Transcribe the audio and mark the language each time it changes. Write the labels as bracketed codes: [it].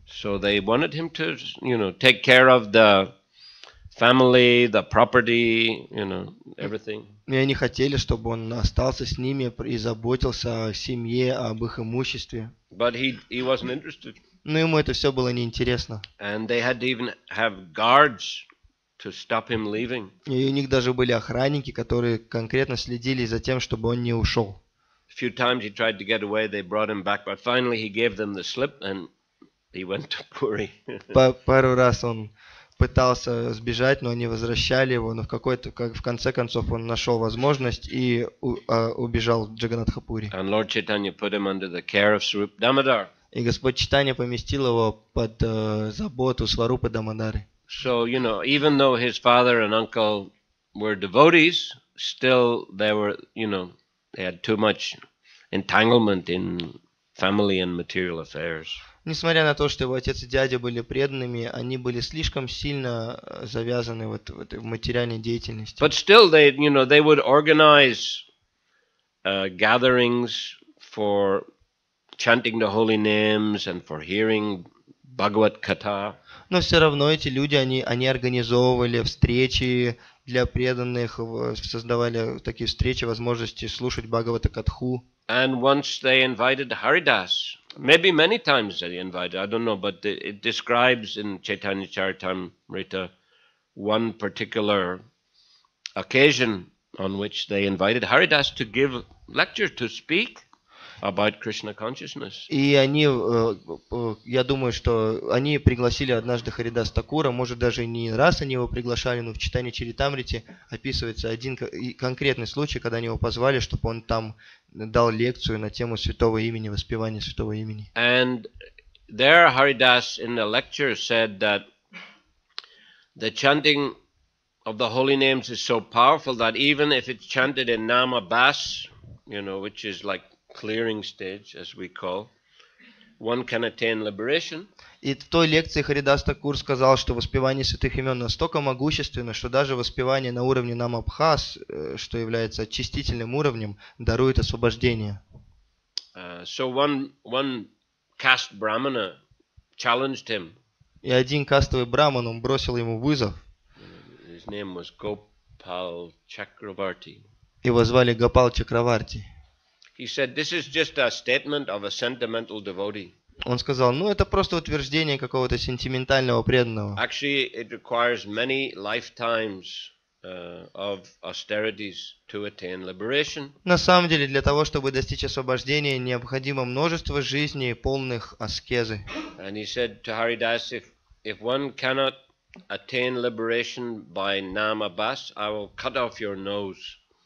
[en] So they wanted him to, you know, take care of the family, the property, you know, everything. [ru] И они хотели, чтобы он остался с ними и заботился о семье, об их имуществе. [en] But he wasn't interested. [ru] Но ему это все было неинтересно. [en] And they had to even have guards to stop him leaving. [ru] И у них даже были охранники, которые конкретно следили за тем, чтобы он не ушел. [en] A few times he tried to get away, they brought him back, but finally he gave them the slip and he went to Puri. [ru] Пару раз он пытался сбежать, но они возвращали его, но в конце концов он нашел возможность и убежал в Джаганатхапури. [en] And Lord Chaitanya put him under the care of Swarupa Damodara. [ru] И Господь Чайтанья поместил его под заботу Сварупы Дамодары. [en] So, you know, even though his father and uncle were devotees, still they were, you know, they had too much entanglement in family and material affairs. [ru] Несмотря на то, что его отец и дядя были преданными, они были слишком сильно завязаны вот в этой материальной деятельности. [en] But still they, you know, they would organize gatherings for chanting the holy names and for hearing Bhagavad Katha. [ru] Но все равно эти люди, они организовывали встречи для преданных, создавали такие встречи, возможности слушать Бхагавата Катху. [en] And once they invited Haridas. Maybe many times they invited, I don't know, but it describes in Chaitanya Charitamrita one particular occasion on which they invited Haridas to give lecture, to speak about Krishna consciousness. [ru] И они, я думаю, что они пригласили однажды Харидас Такура, может даже не раз они его приглашали, но в Чайтанья Чаритамрите описывается один конкретный случай, когда они его позвали, чтобы он там дал лекцию на тему святого имени, воспевания святого имени. [en] And there Haridas in the lecture said that the chanting of the holy names is so powerful that even if it's chanted in Nama Bas, you know, which is like clearing stage, as we call, one can attain liberation. [ru] И в той лекции Харидас Такур сказал, что воспевание святых имен настолько могущественно, что даже воспевание на уровне намабхас, что является очистительным уровнем, дарует освобождение. [en] So one caste brahmana challenged him. [ru] И один кастовый браман, он бросил ему вызов. [en] His name was Gopal Chakravarti. [ru] Его звали Гопал Чакраварти. [en] He said, "This is just a statement of a sentimental devotee." [ru] Он сказал, ну это просто утверждение какого-то сентиментального преданного. [en] Actually, it requires many lifetimes of austerities to attain liberation. [ru] На самом деле, для того чтобы достичь освобождения, необходимо множество жизней полных аскезы. [en] And he said to Haridas, "If one cannot attain liberation by Nama Bas, I will cut off your nose."